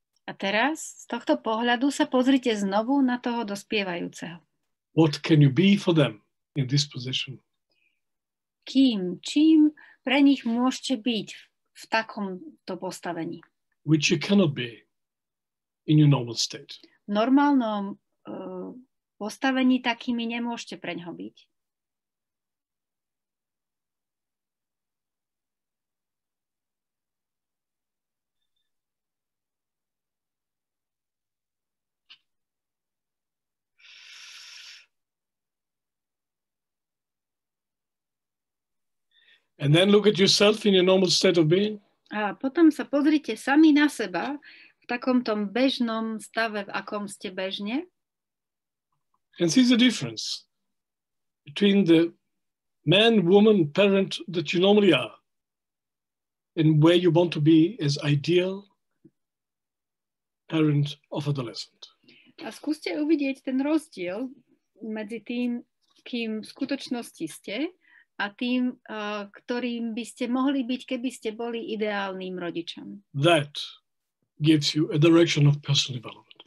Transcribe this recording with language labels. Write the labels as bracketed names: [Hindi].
[Slovak] A teraz z tohto pohľadu sa pozrite znovu na toho dospievajúceho. [English] What can you be for them? In this position. [Slovak] Kým, čím pre nich môžete byť v takomto postavení? [English] Which you cannot be in your normal state. [Slovak] V normálnom postavení takými nemôžete pre ňoho byť. [English] And then look at yourself in your normal state of being. [Slovak] A potom sa pozrite sami na seba v takom tom bežnom stave, v akom ste bežne. [English] And see the difference between the man, woman, parent that you normally are and where you want to be as ideal parent of adolescent. [Slovak] A skúste uvidieť ten rozdiel medzi tým, kým v skutočnosti ste, a tým, ktorým by ste mohli byť, keby ste boli ideálnym rodičom. [English] That gives you a direction of personal development.